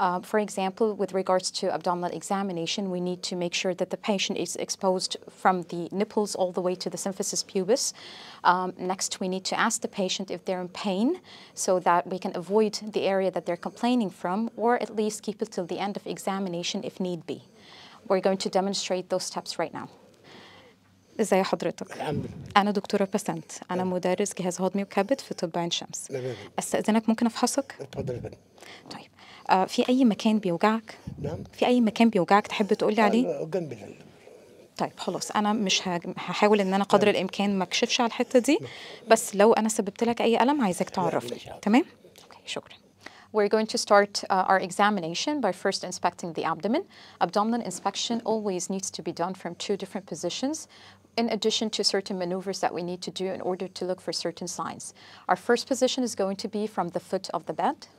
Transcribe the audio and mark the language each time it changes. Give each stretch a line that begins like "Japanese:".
English: For example, with regards to abdominal examination, we need to make sure that the patient is exposed from the nipples all the way to the symphysis pubis. Next, we need to ask the patient if they're in pain so that we can avoid the area that they're complaining from, or at least keep it till the end of examination if need be. We're going to demonstrate those steps right now.
Arabic: ازاي حضرتك؟ انا دكتوره بسنت، انا مدرس جهاز هضمي وكبد في طب عين شمس. استاذنك ممكن افحصك؟ اتفضل. طيب في اي مكان بيوجعك؟ نعم. في اي مكان بيوجعك تحب تقولي عليه؟ جنب. طيب خلاص، انا مش هحاول ان انا قدر الامكان ما اكشفش على الحته دي، بس لو انا سببت لك اي الم عايزك تعرفني. تمام؟ اوكي شكرا.
English: We're going to start our examination by first inspecting the abdomen. Abdominal inspection always needs to be done from two different positions, in addition to certain maneuvers that we need to do in order to look for certain signs. Our first position is going to be from the foot of the bed.